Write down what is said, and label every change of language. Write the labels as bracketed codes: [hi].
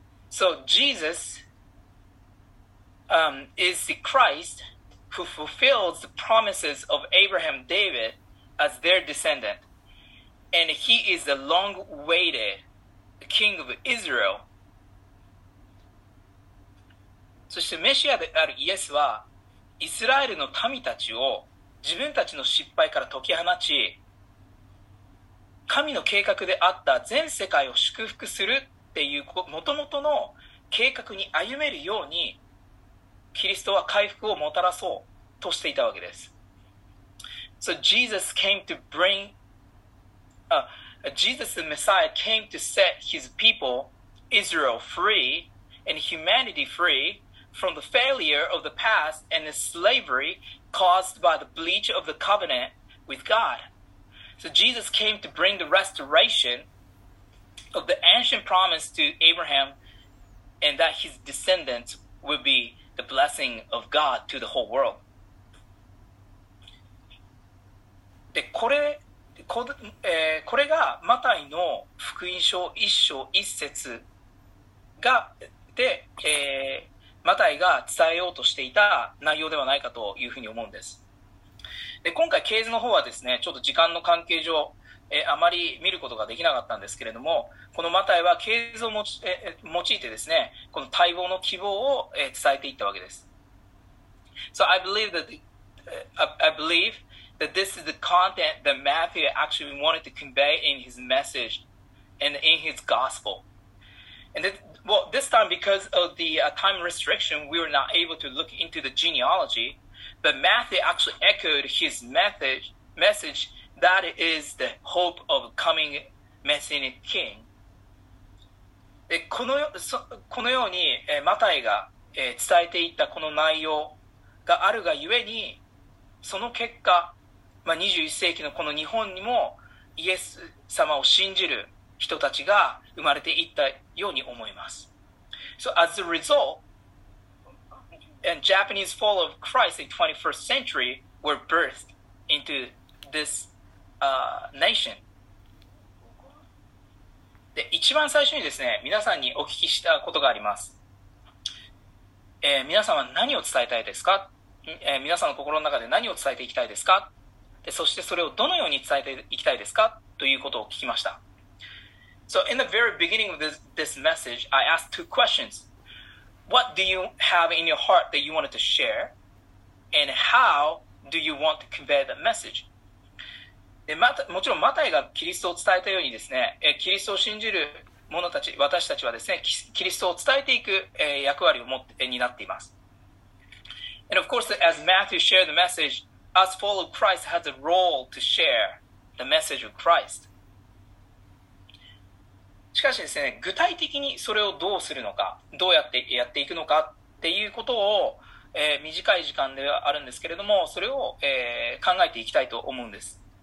[en] So Jesus, is the ChristWho fulfills the promises of Abraham David as their descendant. And he is the long-awaited king of Israel. [ja] そしてメシアであるイエスは、イスラエルの民たちを自分たちの失敗から解き放ち、神の計画であった全世界を祝福するっていう元々の計画に歩めるように、キリストは回復をもたらそう。としていたわけです。 [en] So Jesus came to bring, Jesus the Messiah came to set his people, Israel, free and humanity free from the failure of the past and the slavery caused by the breach of the covenant with God. So Jesus came to bring the restoration of the ancient promise to Abraham and that his descendants would be the blessing of God to the whole world. [ja] で、これがマタイの福音書一章一節がで、マタイが伝えようとしていた内容ではないかというふうに思うんです。で、今回ケースの方はですね、ちょっと時間の関係上、あまり見ることができなかったんですけれども、このマタイはケースを用いてですね、この待望の希望を伝えていったわけです。 [en] So I believe that I believe that this is the content that Matthew actually wanted to convey in his message and in his gospel. And that, well, this time, because of the time restriction, we were not able to look into the genealogy, but Matthew actually echoed his message that is the hope of coming Messianic King. [ja] で、このように、マタイが、伝えていったこの内容があるがゆえに、その結果、まあ、21世紀のこの日本にもイエス様を信じる人たちが生まれていったように思います。 [en] So as a result, and Japanese followers of Christ in 21st century were birthed into this, nation. [ja] で、一番最初にですね、皆さんにお聞きしたことがあります。皆さんは何を伝えたいですか？皆さんの心の中で何を伝えていきたいですか？そしてそれをどのように伝えていきたいですかということを聞きました。 [en] So in the very beginning of this message, I asked two questions. What do you have in your heart that you wanted to share? And how do you want to convey that message? [ja] で、もちろんマタイがキリストを伝えたようにですね、キリストを信じる者たち、私たちはですね、キリストを伝えていく役割を持ってになっています。 [en] And of course, as Matthew shared the message,As follow Christ has a role to share the message of Christ. [ja] しかしですね、具体的にそれをどうするのか、どうやってやっていくのかっていうことを、短い時間ではあるんですけれども、それを、考えていきたいと思うんです。